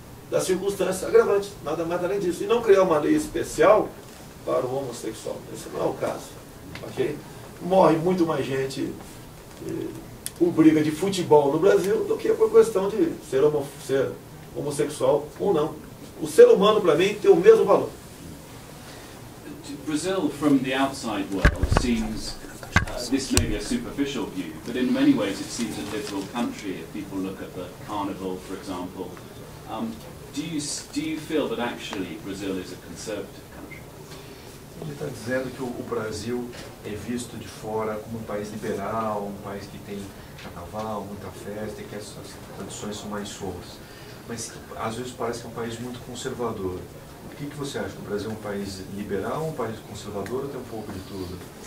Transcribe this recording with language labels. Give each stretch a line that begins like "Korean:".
Portuguese: das circunstâncias agravantes, nada mais além disso. E não criar uma lei especial para o homossexual, esse não é o caso, ok? Morre muito mais gente por briga de futebol no Brasil do que por questão de ser homossexual ou não. O ser humano, para mim, tem o mesmo valor.
English: Brazil, from the outside world, seems, this may be a superficial view, but in many ways it seems a liberal country if people look at the carnival, for example. Do you feel that actually Brazil is a conservative country?
Portuguese: Ele está dizendo que o Brasil é visto de fora como um país liberal, um país que tem carnaval, muita festa, e que as tradições são mais soltas. Mas às vezes parece que é um país muito conservador. O que você acha? O Brasil é um país liberal, um país conservador ou tem um pouco de tudo?